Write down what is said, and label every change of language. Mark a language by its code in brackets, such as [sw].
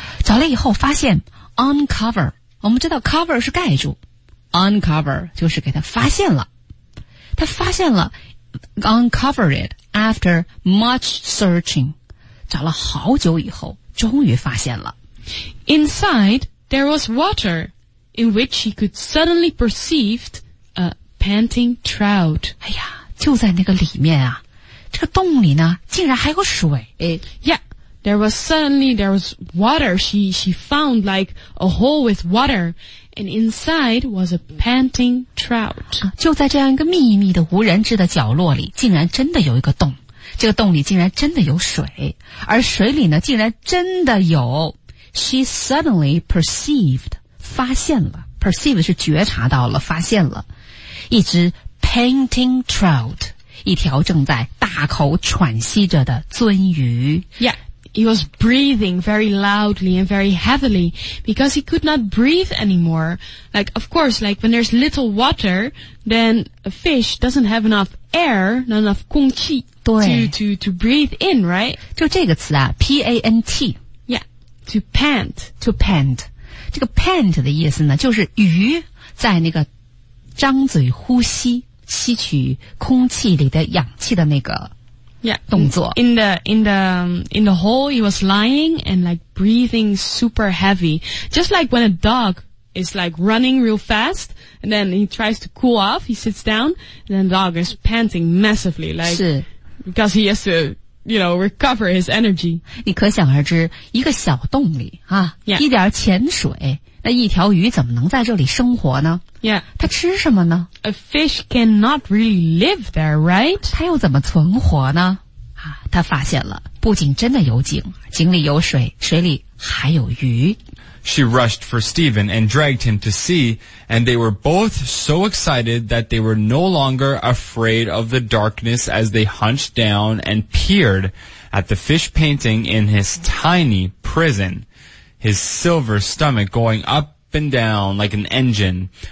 [zh] 找了以后发现 uncover, 我们知道 cover 是盖住。 Uncover 就是给她发现了。她发现了 [en] uncover it after much searching. [zh] 找了好久以后终于发现了。 [en] Inside, there was water in which she could suddenly perceive a panting trout. [zh] 哎呀。就在那个里面啊，这个洞里呢竟然还有水。 [en] Yeah, there was water. She found like a hole with water, and inside was a panting trout. [zh] 就在这样一个秘密的无人知的角落里，竟然真的有一个洞，这个洞里竟然真的有水，而水里呢竟然真的有。 [en] She suddenly perceived, [zh] 发现了， perceive 是觉察到了，发现了一只 [en] Panting trout, [zh] 一条正在大口喘息着的鳟鱼。 [en] Yeah, he was breathing very loudly and very heavily because he could not breathe anymore. Like, of course, like when there's little water, then a fish doesn't have enough air, not enough 空气 to breathe in, right? [zh] 就这个词啊 ,P-A-N-T. [en] Yeah, to pant. To pant. [zh] 这个 pant 的意思呢就是鱼在那个张嘴呼吸。吸取空气里的氧气的那个动作。 [en] Yeah, in the hole, he was lying and like breathing super heavy. Just like when a dog is like running real fast, and then he tries to cool off, he sits down, and then the dog is panting massively, like, because he has to, you know, recover his energy. [zh] 你可想而知，一个小洞里啊， [en] yeah. [zh] 一点浅水。那一条鱼怎么能在这里生活呢 [en] ？Yeah， [zh] 它吃什么呢 [en] ？A fish cannot really live there, right？ [zh] 它又怎么存活呢？啊，它发现了，不仅真的有井，井里有水，水里还有鱼。 [en] She rushed for Stephen and dragged him to see, and they were both so excited that they were no longer afraid of the darkness as they hunched down and peered at the fish painting in his tiny prison. His silver stomach going up and down like an engine.